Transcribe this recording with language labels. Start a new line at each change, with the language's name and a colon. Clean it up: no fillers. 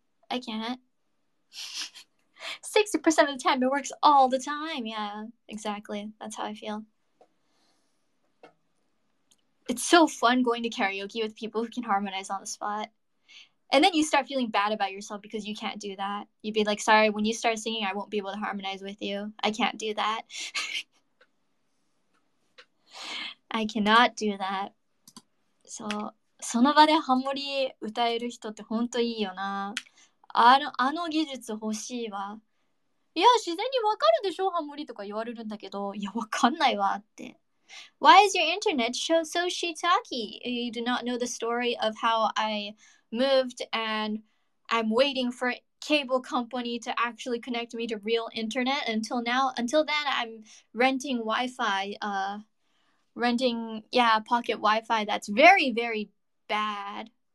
English: I can't 60% of the time it works all the time yeah exactly that's how I feelit's so fun going to karaoke with people who can harmonize on the spotAnd then you start feeling bad about yourself because you can't do that. You'd be like, sorry, when you start singing, I won't be able to harmonize with you. I can't do that. I cannot do that.
Japanese: So, その場でハモリ歌える人って本当いいよな。あの技術欲しいわ。いや、自然にわかるでしょ、ハモリとか言われるんだけど、いや、わかんないわって。
English: Why is your internet so shiitake? You do not know the story of how I moved and I'm waiting for cable company to actually connect me to real internet. Until now, until then, I'm renting Wi-Fi, renting, yeah, pocket Wi-Fi that's very, very bad.